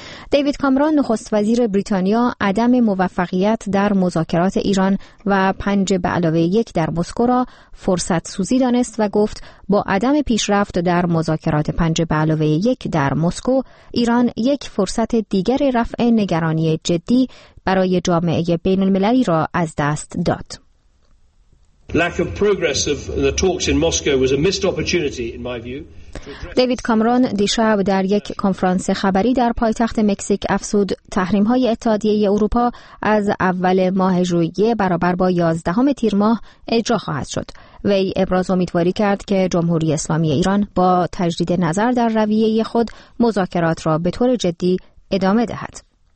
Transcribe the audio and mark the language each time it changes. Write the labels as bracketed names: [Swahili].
[Persian] دیوید کامران نخست وزیر بریتانیا عدم موفقیت در مذاکرات ایران و 5+1 در مسکو را فرصت سوزی دانست و گفت با عدم پیشرفت در مذاکرات 5+1 در مسکو، ایران یک فرصت دیگر رفع نگرانی جدی برای جامعه بین المللی را از دست داد. [English] Lack of progress of the talks in Moscow was a missed opportunity in my view. [Persian] دیوید کامران دیشب در یک کنفرانس خبری در پایتخت مکزیک افسود تحریم‌های اتحادیه اروپا از اول ماه ژوئیه برابر با 11 تیر ماه اجرا خواهد شد. وی ابراز امیدواری کرد که جمهوری اسلامی ایران با تجدید نظر در رویه خود مذاکرات را به طور جدی ادامه دهد.